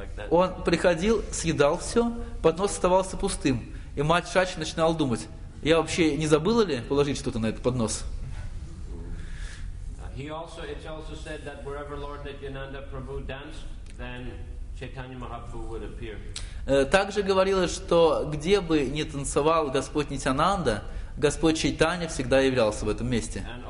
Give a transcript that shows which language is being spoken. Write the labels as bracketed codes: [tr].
[ru] Он приходил, съедал все, поднос оставался пустым, и мать Шачи начинала думать, я вообще не забыла ли положить что-то на этот поднос? [en] It's also said that wherever Lord Nityananda Prabhu danced, then Chaitanya Mahaprabhu would appear. [ru] Также говорилось, что где бы ни танцевал Господь Нитянанда, Господь Чайтанья всегда являлся в этом месте.